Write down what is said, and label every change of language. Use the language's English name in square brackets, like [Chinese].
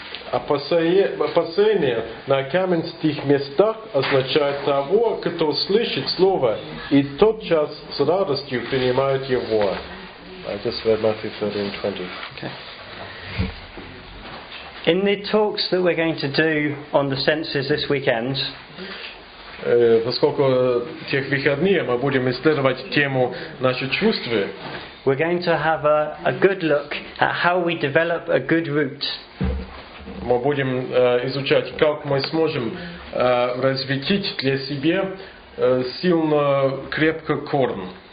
[Russian] Опасение на камень в тех местах означает того, кто слышит слово, и тотчас с радостью принимает его. [English] I just read Matthew 13, 20. Okay. In the talks that we're going to do on the senses this weekend, [Russian] поскольку тех выходные мы будем исследовать тему наши чувства, [English] we're going to have a good look at how we develop a good root. [Russian] Мы будем изучать, как мы сможем развить для себя сильно крепкий корн.